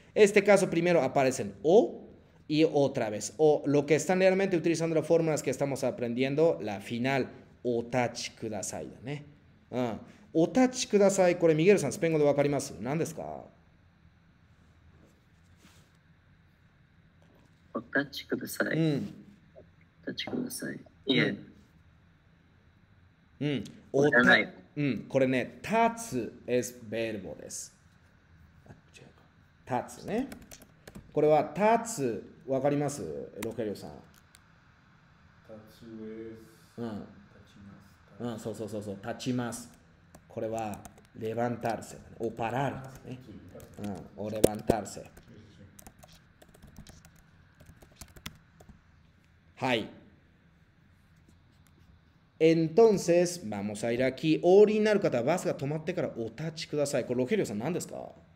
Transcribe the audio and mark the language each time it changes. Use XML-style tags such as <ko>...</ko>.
<es>Este caso primero aparecen o y otra vez. O lo que están realmente utilizando las fórmulas que estamos aprendiendo, la final,</es> <ja>お立ちくださいだね。うん。お立ちください。これ、ミゲルさん、スペイン語でわかります？何ですか？お立ちください。うん、お立ちください。いえ。うん。うん、おたない。うん。これね、立つ</ja> <en>is verb</en> <ja>です。あ、違うか。立つね。これは立つわかります？ロケリオさん。立つ</ja> <en>is。</en> <ja>うん。立ちます。うん、そうそうそうそう。立ちます。これはレバンタルセ、ね。おパラルですね。うん。おレバンタルセ。はい。</ja> <es>Entonces, vamos a ir aquí.</es> <ja>おりになる方はバスが止まってからお立ちください。これ、ロケリオさん何ですか？</ja>